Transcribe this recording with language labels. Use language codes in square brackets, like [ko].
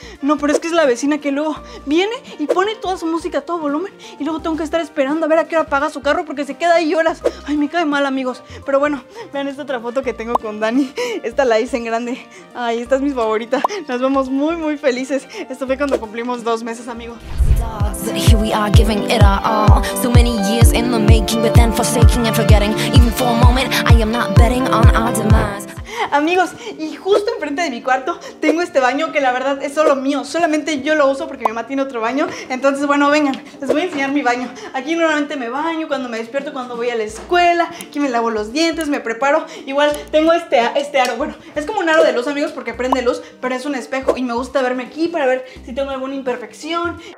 [es] No, pero es que es la vecina que luego viene y pone toda su música a todo volumen. Y luego tengo que estar esperando a ver a qué hora apaga su carro, porque se queda ahí horas. Ay, me cae mal, amigos. Pero bueno, vean esta otra foto que tengo con Dani. Esta la hice en grande. Ay, esta es mi favorita. Nos vemos muy, muy felices. Esto fue cuando cumplimos 2 meses, amigos. [en] Here we are giving it our all. So many years in the making, but then forsaking and forgetting. Even for a moment, I am not betting on our demise. [es] Amigos, y justo enfrente de mi cuarto tengo este baño que la verdad es solo mío. Solamente yo lo uso porque mi mamá tiene otro baño. Entonces, bueno, vengan, les voy a enseñar mi baño. Aquí normalmente me baño cuando me despierto, cuando voy a la escuela. Aquí me lavo los dientes, me preparo. Igual tengo este aro. Bueno, es como un aro de luz, amigos, porque prende luz, pero es un espejo y me gusta verme aquí para ver si tengo alguna imperfección.